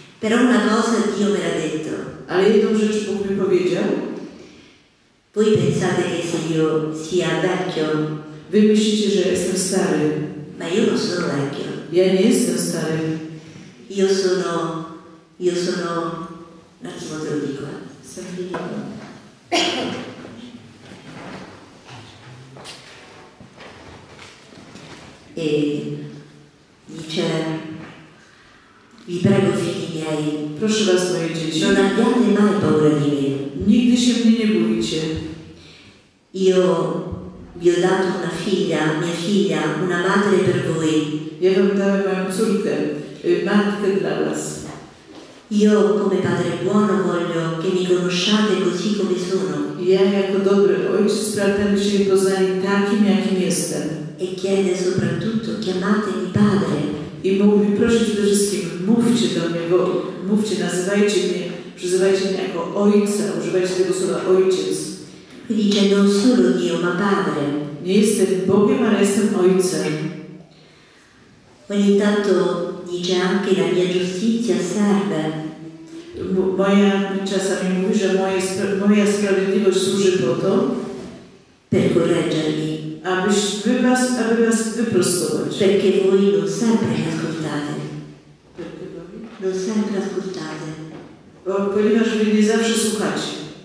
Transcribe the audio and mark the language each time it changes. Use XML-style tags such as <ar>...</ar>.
<it>Però una cosa Dio me l'ha detto.</it> <pl>Ale jedną rzecz Bóg mi powiedział.</pl> <it>Voi pensate che io sia vecchio.</it> <pl>Wy myślicie, że jestem stary.</pl> <it>Ma io non sono vecchio.</it> <pl>Ja nie jestem stary.</pl> <it>Io sono... Un attimo te lo dico. E dice, vi prego figli miei,</it> <pl>proszę was moje dzieci,</pl> <it>non abbiate mai paura di me,</it> <pl>nigdy się mnie nie bójcie,</pl> <it>io vi ho dato una figlia, mia figlia, una madre per voi,</it> <pl>ja wam dałem moją córkę, matkę dla was.</pl> <it>Io come padre buono voglio che mi conosciate così come sono.</it> <pl>Ja jako dobry ojciec pragnę, byście mnie poznali takim, jakim jestem.</pl> <it>E chiede soprattutto, chiamatemi padre.</it> <pl>I mówi, proszę przede wszystkim, mówcie do mnie, bo mówcie, nazywajcie mnie, przyzywajcie mnie jako ojca, używajcie tego słowa ojciec.</pl> <it>Dice, non solo Dio, ma padre.</it> <pl>Nie jestem Bogiem, ale jestem ojcem.</pl> <it>Ogni tanto dice anche la mia giustizia serve.</it> <pl>Moja czasami mówi, że moja sprawiedliwość służy po to,</pl> <it>per correggermi.</it> <pl>Aby was wyprostować.</pl> <it>Perché voi non sempre ascoltate. Perché voi? Non sempre ascoltate.</it> <pl>Ponieważ wy nie zawsze słuchacie.</pl>